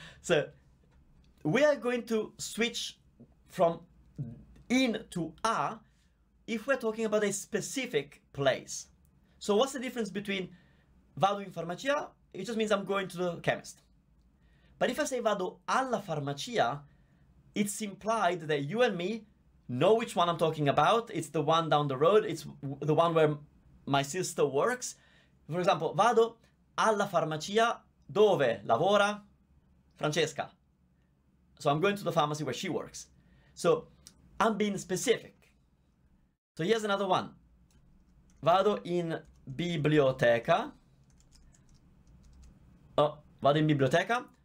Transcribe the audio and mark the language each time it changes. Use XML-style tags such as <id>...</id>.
<en>So we are going to switch from in to a if we're talking about a specific place. So what's the difference between</en> <it>vado in farmacia?</it> <en>It just means I'm going to the chemist. But if I say</en> <it>vado alla farmacia,</it> <en>it's implied that you and me know which one I'm talking about. It's the one down the road. It's the one where my sister works. For example,</en> <it>vado alla farmacia dove lavora Francesca.</it> <en>So I'm going to the pharmacy where she works. So I'm being specific. So here's another one.</en> <it>Vado in biblioteca. Oh, vado in biblioteca.</it>